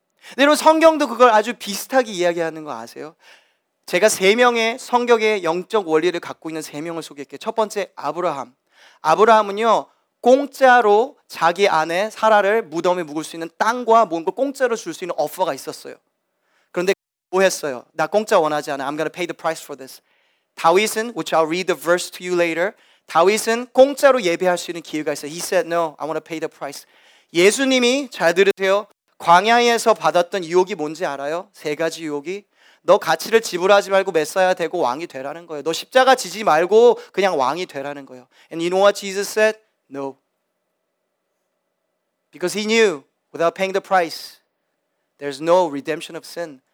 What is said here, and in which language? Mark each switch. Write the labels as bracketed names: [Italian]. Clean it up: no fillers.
[Korean] 근데 여러분 성경도 그걸 아주 비슷하게 이야기하는 거 아세요? 제가 세 명의 성경의 영적 원리를 갖고 있는 세 명을 소개할게요. 첫 번째 아브라함. 아브라함은요 공짜로 자기 아내 사라를 무덤에 묵을 수 있는 땅과 모은 걸 공짜로 줄 수 있는 오퍼가 있었어요. 그런데 뭐 했어요? 나 공짜 원하지 않아. [English] I'm gonna pay the price for this. [Korean] 다윗은, [English] which I'll read the verse to you later. [Korean] 다윗은 공짜로 예배할 수 있는 기회가 있어요. [English] He said, no, I want to pay the price. [Korean] 예수님이, 잘 들으세요. 광야에서 받았던 유혹이 뭔지 알아요? 세 가지 유혹이. 너 가치를 지불하지 말고 메시아야 되고 왕이 되라는 거예요. 너 십자가 지지 말고 그냥 왕이 되라는 거예요. [English] And you know what Jesus said? No. Because he knew, without paying the price, there's no redemption of sin.